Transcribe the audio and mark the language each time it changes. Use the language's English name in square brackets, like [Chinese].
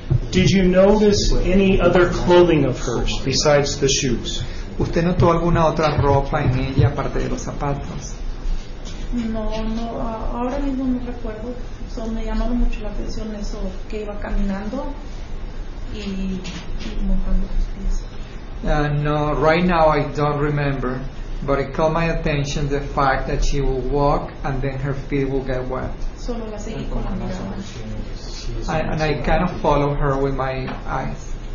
[English] Did you notice any other clothing of hers besides the shoes? [Spanish] ¿Usted notó alguna otra ropa en ella aparte de los zapatos? No, ahora mismo no recuerdo. So, me llamaron mucho la atención eso que iba caminando y montando sus pies. [English] No, right now I don't remember, but it caught my attention the fact that she will walk and then her feet will get wet. [Spanish] Solo la seguí con la mirada. [English] And I kind of follow her with my eyes.